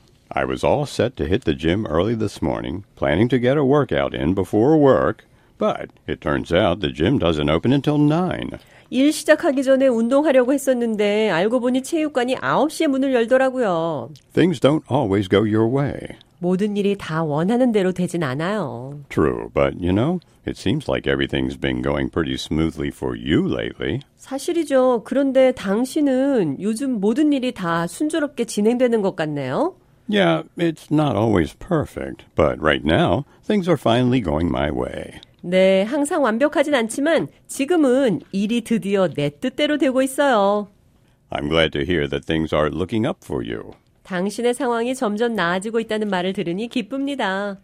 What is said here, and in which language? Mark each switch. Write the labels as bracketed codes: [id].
[en] I was all set to hit the gym early this morning, planning to get a workout in before work, but it turns out the gym doesn't open until 9. [ko] 일 시작하기 전에 운동하려고 했었는데 알고 보니 체육관이 9시에 문을 열더라고요. [en] Things don't always go your way. [ko] 모든 일이 다 원하는 대로 되진 않아요. [en] True, but you know, it seems like everything's been going pretty smoothly for you lately. [ko] 사실이죠. 그런데 당신은 요즘 모든 일이 다 순조롭게 진행되는 것 같네요. [en] Yeah, it's not always perfect, but right now, things are finally going my way. [ko] 네, 항상 완벽하진 않지만 지금은 일이 드디어 내 뜻대로 되고 있어요. [en] I'm glad to hear that things are looking up for you. [ko] 당신의 상황이 점점 나아지고 있다는 말을 들으니 기쁩니다.